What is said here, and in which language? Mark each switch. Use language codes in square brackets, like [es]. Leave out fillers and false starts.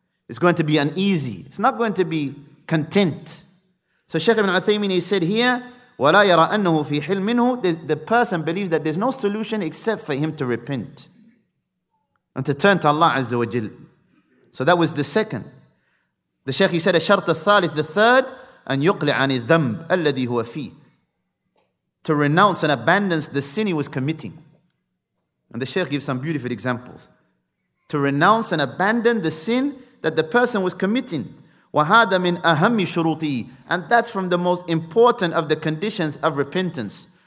[en] It's going to be uneasy. It's not going to be content. So Shaykh Ibn Uthaymeen, he said here, [ar] وَلَا يَرَى أَنَّهُ فِي حِلْمٍ مِّنْهُ. [en] The person believes that there's no solution except for him to repent and to turn to Allah Azza wa Jal. So that was the second. The Shaykh, he said, [ar] الشَّرْطَ الثَّالِثِ, [en] the third, [ar] أَنْ يُقْلِ عَنِ الذَّنْبِ الَّذِي هُوَ فِيهِ. [en] To renounce and abandon the sin he was committing. And the Shaykh gives some beautiful examples. To renounce and abandon the sin that the person was committing. [ar] وَهَذَا مِنْ أَهَمِّ شُرُوطِهِ. [en] And that's from the most important of the conditions of repentance.